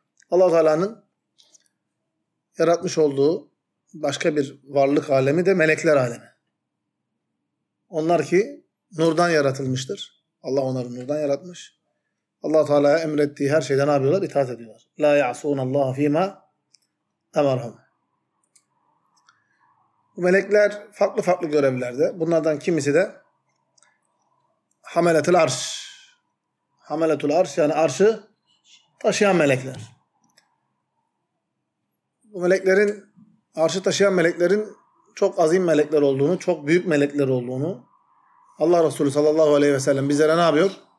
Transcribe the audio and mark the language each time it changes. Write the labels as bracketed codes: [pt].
[tr] Allah-u Teala'nın yaratmış olduğu başka bir varlık alemi de melekler alemi. Onlar ki nurdan yaratılmıştır. Allah onları nurdan yaratmış. Allah-u Teala'ya emrettiği her şeyden ne yapıyorlar? İtaat ediyorlar. [ar] لَا يَعْصُونَ اللّٰهَ ف۪ي مَا اَمَرْهُمْ [tr] Bu melekler farklı farklı görevlerde. Bunlardan kimisi de Hamelatul Arş. Hamelatul Arş yani arşı taşıyan melekler. Bu meleklerin, arşı taşıyan meleklerin çok azim melekler olduğunu, çok büyük melekler olduğunu Allah Resulü sallallahu aleyhi ve sellem bizlere ne yapıyor?